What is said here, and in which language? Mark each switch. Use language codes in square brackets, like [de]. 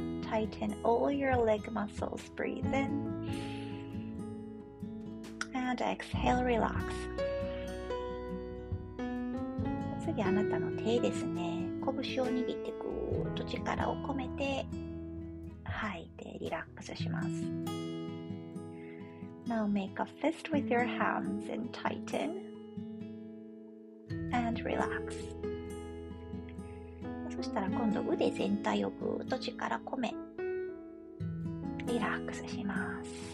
[en] Tighten all your leg muscles, breathe in. And exhale, relax. [ja] 次、あなたの手ですね、拳を握ってぐーっと力を込めて吐いてリラックスします。 [en] Now make a fist with your hands and tighten and relax。 [ja] そしたら今度腕全体をぐーっと力込めリラックスします。